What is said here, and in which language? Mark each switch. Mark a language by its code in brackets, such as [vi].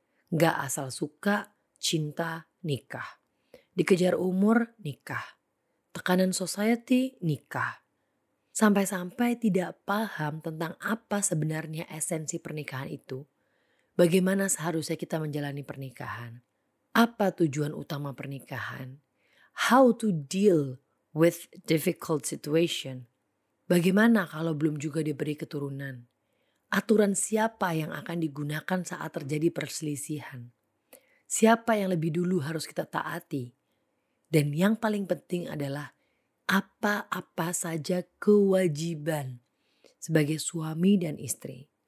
[id] Gak asal suka, cinta, nikah. Dikejar umur, nikah. Tekanan society, nikah. Sampai-sampai tidak paham tentang apa sebenarnya esensi pernikahan itu. Bagaimana seharusnya kita menjalani pernikahan? Apa tujuan utama pernikahan? [en] How to deal with difficult situation? [id] Bagaimana kalau belum juga diberi keturunan? Aturan siapa yang akan digunakan saat terjadi perselisihan? Siapa yang lebih dulu harus kita taati? Dan yang paling penting adalah apa-apa saja kewajiban sebagai suami dan istri.